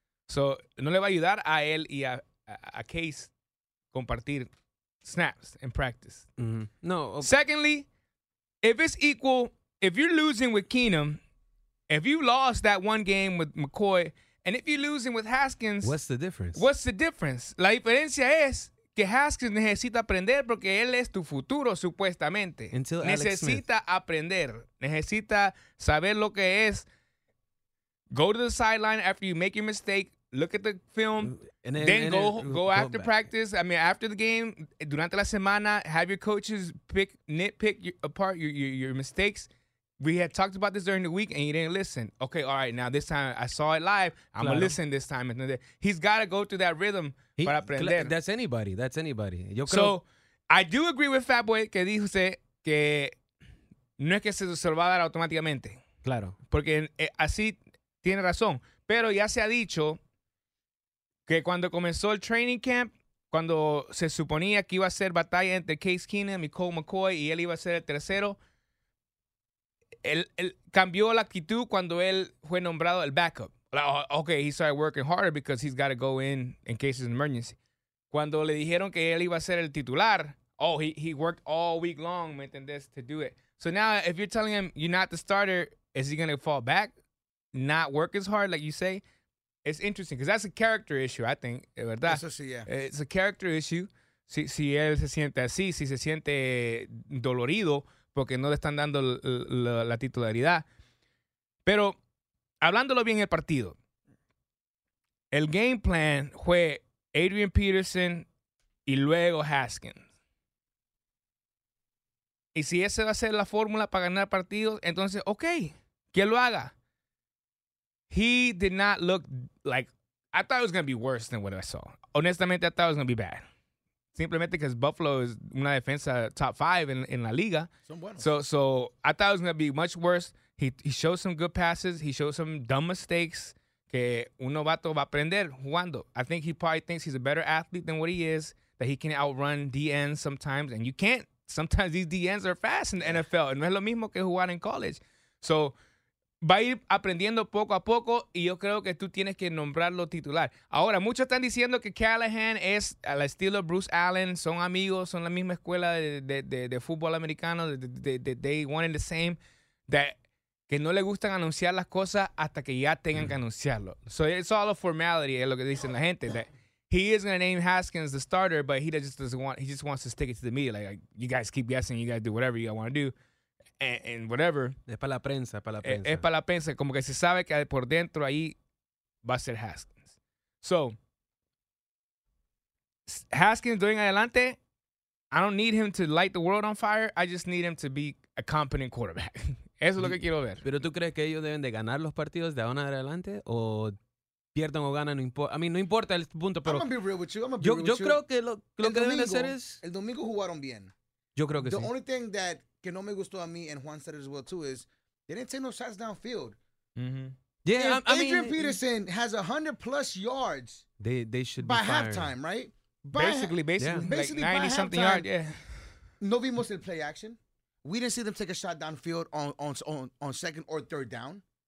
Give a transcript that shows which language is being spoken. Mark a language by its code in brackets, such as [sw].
[es] So, no le va a ayudar a él y a Case compartir snaps [en] in practice. Mm-hmm. No. Okay. Secondly, if it's equal, if you're losing with Keenum, if you lost that one game with McCoy, and if you're losing with Haskins. What's the difference? [es] La diferencia es que Haskins necesita aprender porque él es tu futuro, supuestamente. [en] Until [es] necesita [en] Alex Smith. [es] Aprender. Necesita saber lo que es. [en] Go to the sideline after you make your mistake. Look at the film. Then go after practice. I mean, after the game, [es] durante la semana, [en] have your coaches nitpick apart your mistakes. We had talked about this during the week, and you didn't listen. Okay, all right, now this time I saw it live. I'm going to listen this time. He's got to go through that rhythm [es] para aprender. [en] That's anybody. [es] Yo creo. [en] So I do agree with Fatboy [es] que dijo que no es que se lo va a dar automáticamente. Claro. Porque así tiene razón. Pero ya se ha dicho que cuando comenzó el training camp, cuando se suponía que iba a ser batalla entre Case Keenum y Cole McCoy y él iba a ser el tercero, él cambió la actitud cuando él fue nombrado el backup. [en] Like, okay, he started working harder because he's got to go in case it's an emergency. [es] Cuando le dijeron que él iba a ser el titular, [en] he worked all week long, [es] ¿me entendés? [en] To do it. So now, if you're telling him you're not the starter, is he going to fall back? Not work as hard, like you say? It's interesting because that's a character issue, I think, [es] ¿verdad? Eso sí, [en] yeah. It's a character issue. [es] Si él se siente así, si se siente dolorido, porque no le están dando la titularidad. Pero, hablándolo bien el partido, el game plan fue Adrian Peterson y luego Haskins. Y si esa va a ser la fórmula para ganar partidos, entonces, ok, que lo haga. [en] He did not look like, I thought it was going to be worse than what I saw. [es] Honestamente, [en] I thought it was going to be bad. [es] Simplemente [en] because Buffalo is [es] una defensa [en] top five in [es] la liga. [en] So I thought it was going to be much worse. He showed some good passes. He showed some dumb mistakes [es] que un novato va a aprender jugando. [en] I think he probably thinks he's a better athlete than what he is, that he can outrun DNs sometimes. And you can't. Sometimes these DNs are fast in the NFL. [es] No es lo mismo que jugar en college. So va a ir aprendiendo poco a poco y yo creo que tú tienes que nombrarlo titular. Ahora, muchos están diciendo que Callahan es al estilo Bruce Allen, son amigos, son la misma escuela de fútbol americano, [en] they one and the same, [es] que no le gustan anunciar las cosas hasta que ya tengan que anunciarlo. [en] So it's all a formality, [es] es lo que dicen la gente, [en] that he is going to name Haskins the starter, but he just wants to stick it to the media, like you guys keep guessing, you guys do whatever you want to do. And whatever. [es] Es para la prensa, para la prensa. Es para la prensa. Como que se sabe que por dentro ahí va a ser Haskins. [en] So, Haskins doing adelante, I don't need him to light the world on fire. I just need him to be a competent quarterback. [es] Eso es lo que quiero ver. ¿Pero tú crees que ellos deben de ganar los partidos de ahora adelante? ¿O pierden o ganan? No importa el punto. Pero [en] I'm gonna be real with you. [es] Yo creo que lo que deben hacer es... El domingo jugaron bien. Yo creo que [en] the [es] sí. [en] The only thing that... [es] que no me gustó a mí, [en] and Juan said it as well too, is they didn't take no shots downfield. Mm-hmm. Yeah, Adrian Peterson has 100 plus yards. They should by be halftime, right? Basically, 90 something yards. Yeah. [es] No vimos el play action. [en] We didn't see them take a shot downfield on second or third down.